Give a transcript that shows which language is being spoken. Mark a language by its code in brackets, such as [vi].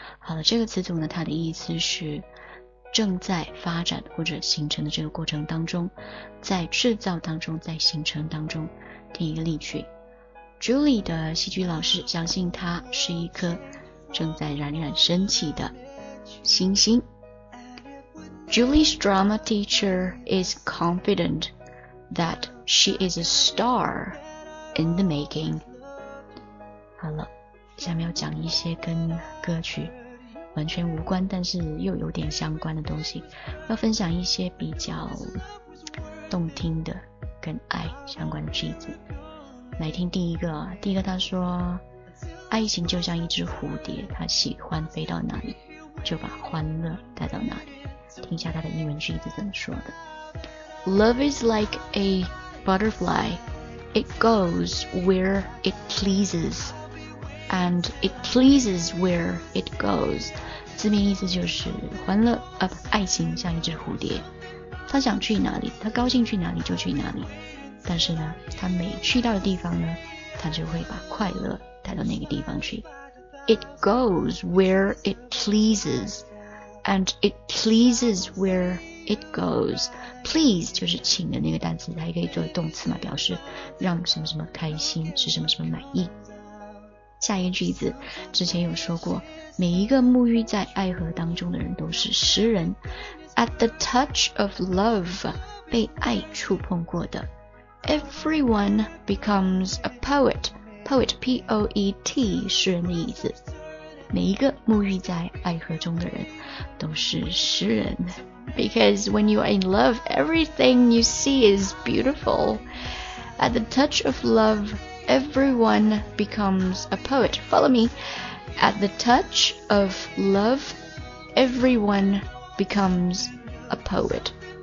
[zh] 好了，这个词组呢，它的意思是正在发展或者形成的这个过程当中，在制造当中，在形成当中。听一个例句，Julie 的戏剧老师相信她是一颗正在冉冉升起的星星。 [en] Julie's drama teacher is confident that she is a star in the making. [zh] 好了，下面要讲一些跟歌曲完全无关，但是又有点相关的东西，要分享一些比较动听的跟爱相关的句子。来听第一个，第一个他说，爱情就像一只蝴蝶，它喜欢飞到哪里，就把欢乐带到哪里。听一下它的英文句子怎么说的： [en] Love is like a butterfly, it goes [zh] where it pleases, and it pleases where it goes。字面意思就是欢乐啊，不，爱情像一只蝴蝶，它想去哪里，它高兴去哪里就去哪里。但是呢，它每去到的地方呢，它就会把快乐带到那个地方去。 [en] It goes where it pleases, and it pleases where it goes. [zh] Please 就是请的那个单词，它也可以作为动词嘛，表示让什么什么开心，使什么什么满意。下一个句子之前有说过，每一个沐浴在爱河当中的人都是诗人。 [en] At the touch of love, [zh] 被爱触碰过的， [en] everyone becomes a poet. [zh] Poet, P-O-E-T, 诗人的意思。每一个沐浴在爱河中的人都是诗人。 [en] Because when you are in love, everything you see is beautiful. At the touch of love, everyone becomes a poet. Follow me. At the touch of love, everyone becomes a poet.